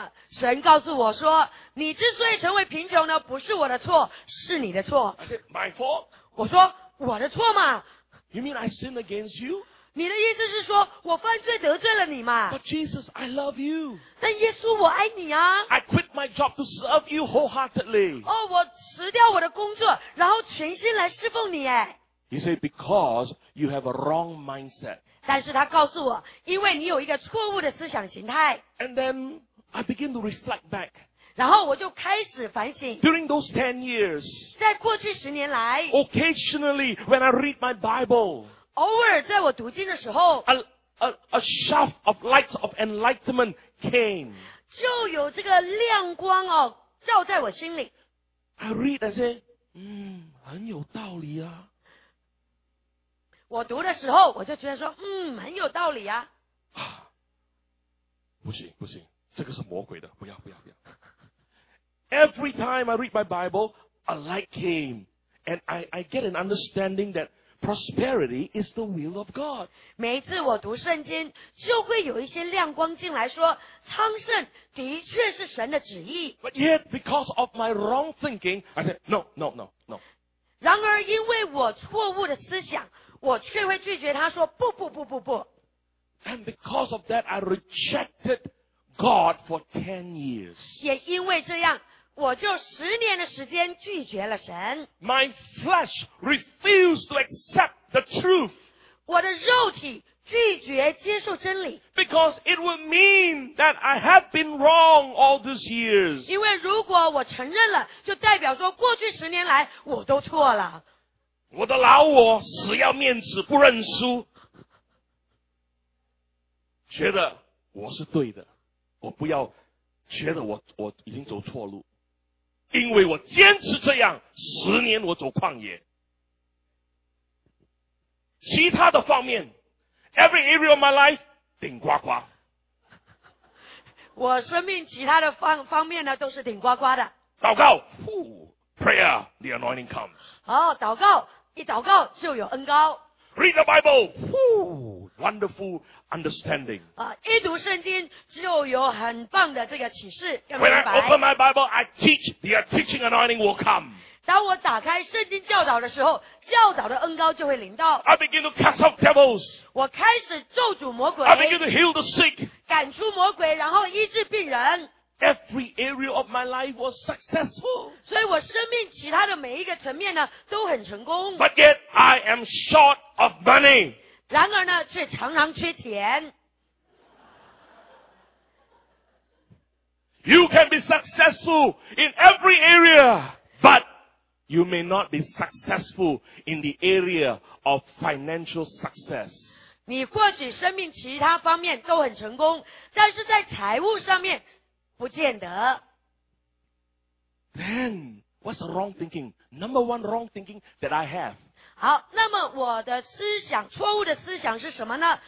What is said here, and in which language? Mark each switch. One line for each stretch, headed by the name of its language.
Chinese: 神告诉我说你之所以成为贫穷呢不是我的错是你的错。
English: I said, my fault?
Chinese: 我说我的错吗
English: You mean I sinned against you?
Chinese: 你的意思是说我犯罪得罪了你吗
English: But Jesus, I love you.
Chinese: 但耶稣我爱你啊。
English: I quit my job to serve you wholeheartedly.
Chinese: 我辞掉我的工作然后全心来侍奉你耶。
English: He said, because you have a wrong mindset.
Chinese: 但是他告诉我，因为你有一个错误的思想形态。
English: And then I begin to reflect back.
Chinese: 然后我就开始反省。
English: During those 10 years.
Chinese: 在过去十年来。
English: Occasionally, when I read my Bible.
Chinese: 偶尔在我读经的时候。
English: A shaft of light of enlightenment came.
Chinese: 就有这个亮光哦，照在我心里。
English: I read and say,
Chinese: 很有道理啊。我读的时候我就觉得说很有道理 啊不行不行这个是魔鬼的不要不要不要
English: Every time I read my Bible a light came and I get an understanding that prosperity is the will of God
Chinese: 每一次我读圣经就会有一些亮光进来说昌盛的确是神的旨意
English: But yet because of my wrong thinking I said no no no no
Chinese: 然而因为我错误的思想我却会拒绝他说不不不不不。
English: And because of that, I rejected God for 10 years.
Chinese: 也因为这样，我就十年的时间拒绝了神。
English: My flesh refused to accept the truth.
Chinese: 我的肉体拒绝接受真理。
English: Because it would mean that I have been wrong all these years.
Chinese: 因为如果我承认了，就代表说过去十年来我都错了。我的老我死要面子不认输觉得我是对的我不要觉得我已经走错路因为我坚持这样十年我走旷野其他的方面
English: Every area of my life
Chinese: 顶呱呱我生命其他的 方面呢都是顶呱呱的祷告
English: Prayer the anointing comes
Chinese: 好祷告一祷告就有恩膏。
English: Read the Bible, wonderful understanding.
Chinese: 一读圣经就有很棒的这个启示。
English: When I open my Bible, I teach, the teaching anointing will come.
Chinese: 当我打开圣经教导的时候，教导的恩膏就会临到。
English: I begin to cast out devils.
Chinese: 我开始咒诅魔鬼。
English: I begin to heal the sick.
Chinese: 赶出魔鬼，然后医治病人。
English: Every area of my life was successful.
Chinese: 所以我生命其他的每一个层面呢都很成功。
English: But yet I am short of money.
Chinese: 然而呢却常常缺钱。
English: You can be successful in every area, but you may not be successful in the area of financial success.
Chinese: 你或许生命其他方面都很成功，但是在财务上面不见得。
English: Then, what's the wrong thinking? Number one wrong thinking that I have.
Chinese: 好，那么我的思想，错误的思想是什么呢？